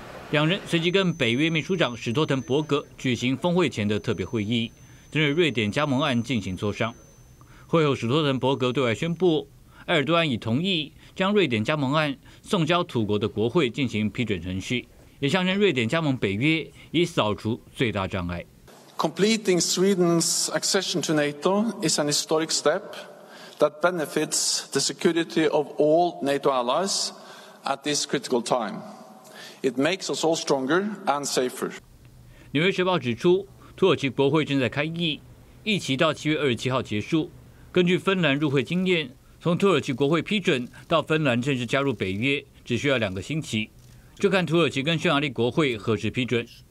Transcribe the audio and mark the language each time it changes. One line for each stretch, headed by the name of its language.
Chinese: 两人随即跟北约秘书长史托滕伯格举行峰会前的特别会议，针对瑞典加盟案进行磋商。会后，史托滕伯格对外宣布，埃尔多安已同意将瑞典加盟案送交土国的国会进行批准程序，也象征瑞典加盟北约已扫除最大障碍。
English: Completing Sweden's accession to NATO is an historic step that benefits the security of all NATO allies at this critical time. It makes us all stronger and safer.
Chinese: 纽约时报指出，土耳其国会正在开议，议期到七月二十七号结束。根据芬兰入会经验，从土耳其国会批准到芬兰正式加入北约，只需要两个星期，就看土耳其跟匈牙利国会何时批准。